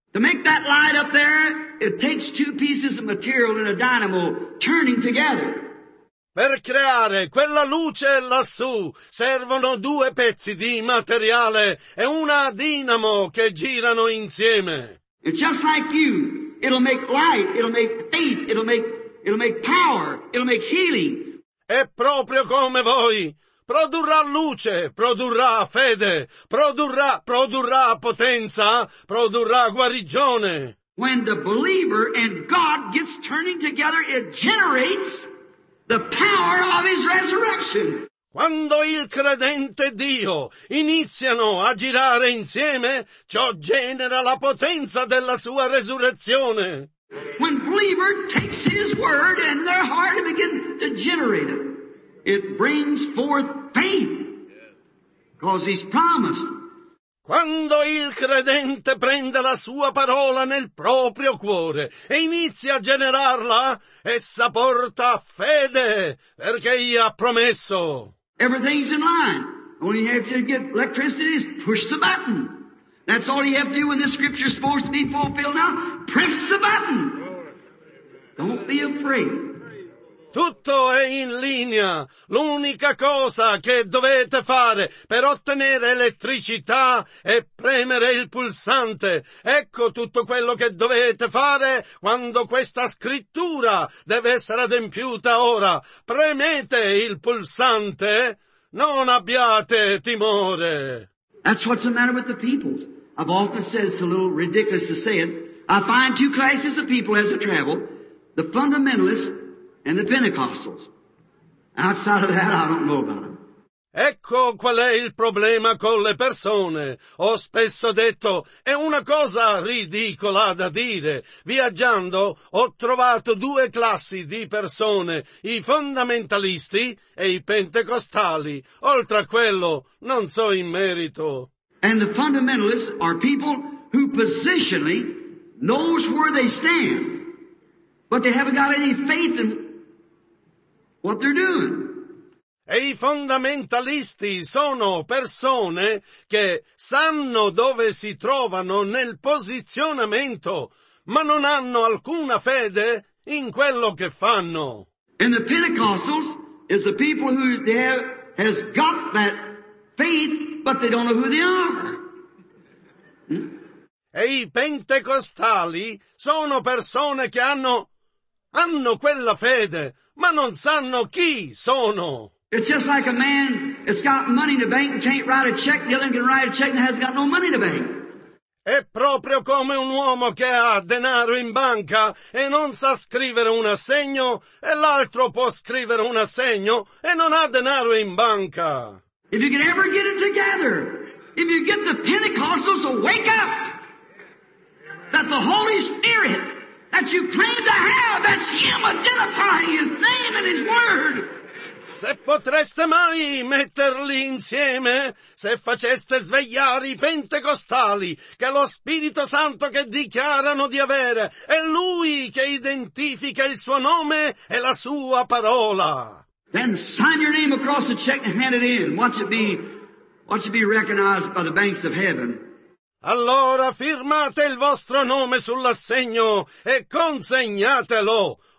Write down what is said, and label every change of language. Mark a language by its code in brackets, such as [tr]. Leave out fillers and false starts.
[en] To make that light up there, it takes two pieces of material and a dynamo turning together. [it] Per creare quella luce lassù servono due pezzi di materiale e una dinamo che girano insieme. [en] It's just like you. It'll make light, it'll make faith, it'll make power, it'll make healing. [it] È proprio come voi. Produrrà luce, produrrà fede, produrrà potenza, produrrà guarigione. [en] When the believer and God gets turning together, it generates the power of his resurrection. [it] Quando il credente e Dio iniziano a girare insieme, ciò genera la potenza della sua resurrezione. [en] When believer takes his word and their heart begin to generate it, it brings forth faith. Because he's promised. [it] Quando il credente prende la sua parola nel proprio cuore e inizia a generarla, essa porta fede, perché gli ha promesso. [en] Everything's in line. All you have to get electricity is push the button. That's all you have to do when this scripture is supposed to be fulfilled now. Press the button. Don't be afraid. [it] Tutto è in linea. L'unica cosa che dovete fare per ottenere elettricità è premere il pulsante. Ecco tutto quello che dovete fare quando questa scrittura deve essere adempiuta ora. Premete il pulsante. Non abbiate timore. [en] That's what's the matter with the people. I've often said, it's a little ridiculous to say it. I find two classes of people as I travel. The fundamentalists and the Pentecostals. Outside of that, I don't know about them. [it] Ecco qual è il problema con le persone. Ho spesso detto, è una cosa ridicola da dire. Viaggiando, ho trovato due classi di persone, i fondamentalisti e i pentecostali. Oltre a quello, non so in merito. [en] And the fundamentalists are people who positionally knows where they stand, but they haven't got any faith in what they're doing. [it] E i fondamentalisti sono persone che sanno dove si trovano nel posizionamento, ma non hanno alcuna fede in quello che fanno. [en] And the Pentecostals is the people who there has got that faith, but they don't know who they are. [it] e i pentecostali sono persone che hanno quella fede, ma non sanno chi sono. [en] It's just like a man that's got money in the bank and can't write a check, the other one can write a check and hasn't got no money in the bank. [it] È proprio come un uomo che ha denaro in banca e non sa scrivere un assegno, e l'altro può scrivere un assegno e non ha denaro in banca. [en] If you can ever get it together, if you get the Pentecostals to wake up, that the Holy Spirit that you claim to have, that's Him identifying His name and His word. [it] Se potreste mai metterli insieme, se faceste svegliare i pentecostali, che lo Spirito Santo che dichiarano di avere è Lui che identifica il suo nome e la sua parola. [en] Then sign your name across the check and hand it in. Watch it be recognized by the banks of heaven. [it] Allora firmate il vostro nome sull'assegno e consegnatelo.